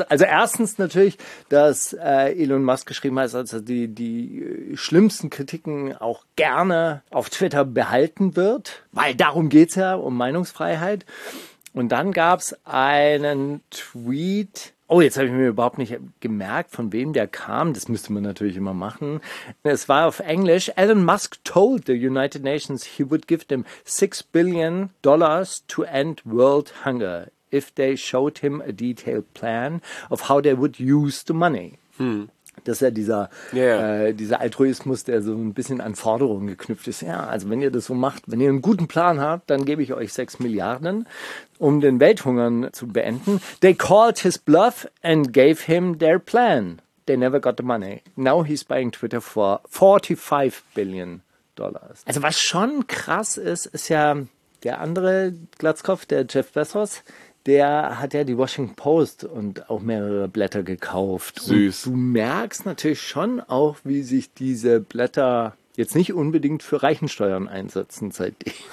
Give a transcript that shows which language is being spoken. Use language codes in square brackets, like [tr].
[de] Also erstens natürlich, dass Elon Musk geschrieben hat, dass er die schlimmsten Kritiken auch gerne auf Twitter behalten wird, weil darum geht's ja, um Meinungsfreiheit. Und dann gab's einen Tweet. Oh, jetzt habe ich mir überhaupt nicht gemerkt, von wem der kam. Das müsste man natürlich immer machen. Es war auf Englisch. [en] Elon Musk told the United Nations he would give them $6 billion to end world hunger if they showed him a detailed plan of how they would use the money. Hm. [de] Das ist ja dieser, dieser Altruismus, der so ein bisschen an Forderungen geknüpft ist. Ja, also wenn ihr das so macht, wenn ihr einen guten Plan habt, dann gebe ich euch 6 Milliarden, um den Welthunger zu beenden. [en] They called his bluff and gave him their plan. They never got the money. Now he's buying Twitter for $45 billion. [de] Also was schon krass ist, ist ja der andere Glatzkopf, der Jeff Bezos, der hat ja die Washington Post und auch mehrere Blätter gekauft. Süß. Und du merkst natürlich schon auch, wie sich diese Blätter jetzt nicht unbedingt für Reichensteuern einsetzen seitdem.